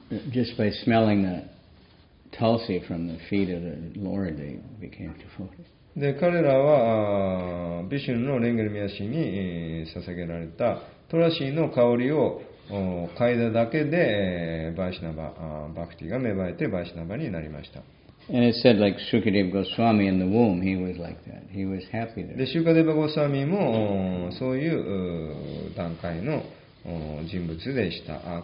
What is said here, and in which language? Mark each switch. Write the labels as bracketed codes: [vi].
[en] Just by smelling the tulsi from the feet of the Lord, they became devoted. [ja] で、彼らはビシュヌのレンゲルミヤシに捧げられたトラシーの香りを嗅いだだけで、バイシナバ、バクティが芽生えてバイシナバになりました。 [en] And it said like Shukadeva Goswami in the womb, he was like that. He was happy there. [ja] で、シュカデバゴスワミもそういう段階の人物でした。